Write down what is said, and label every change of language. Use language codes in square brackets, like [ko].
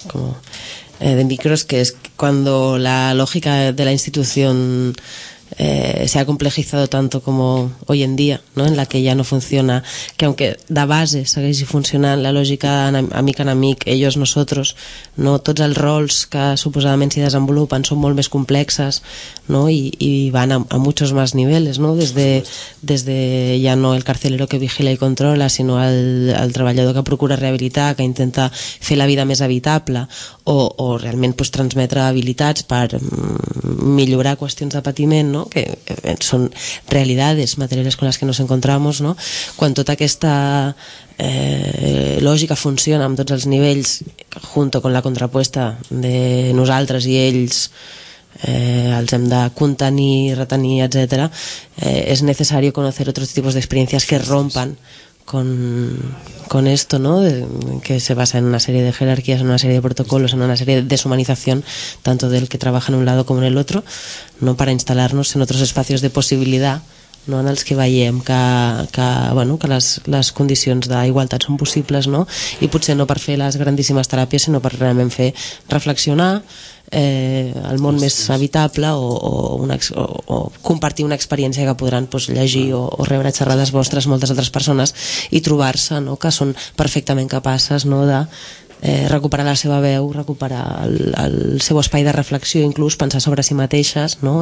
[es] Como de micros, que es cuando la lógica de la institución se ha complejizado tanto como hoy en día, ¿no? En la que ya no funciona, que aunque da base, ¿sabéis? Si funciona la lógica amic, ellos, nosotros, ¿no? [ca] Tots els rols que suposadament s'hi desenvolupen són molt més complexes, ¿no? [es] I van a muchos más niveles, ¿no? Desde ya no el carcelero que vigila [ca] i controla, sinó el treballador que procura rehabilitar, que intenta fer la vida més habitable, o realment pues, transmetre habilitats per millorar qüestions de patiment, ¿no? [es] Que son realidades materiales con las que nos encontramos, ¿no? [ca] Quan tota aquesta lògica funciona amb tots els nivells [es] junto con la contrapuesta de [ca] nosaltres i ells, els hem de contenir, retenir, etc. És necessari conèixer altres tipus d'experiències [es] que rompen con esto, [ca] ¿no? [es] Que se basa en una serie de jerarquías, en una serie de protocolos, en una serie de deshumanización, tanto del que trabaja en un lado como en el otro, no para instalarnos en otros espacios de posibilidad, no [ca] en els que veiem que, bueno, que les condicions d'igualtat són possibles, [es] no? [ca] I potser no per fer les grandíssimes teràpies, sinó per realment fer reflexionar el món més habitable o compartir una experiència que podran pues, llegir o rebre xerrades vostres moltes altres persones i trobar-se, no? Que són perfectament capaces, no? De recuperar la seva veu, recuperar el seu espai de reflexió, inclús pensar sobre si mateixes, no?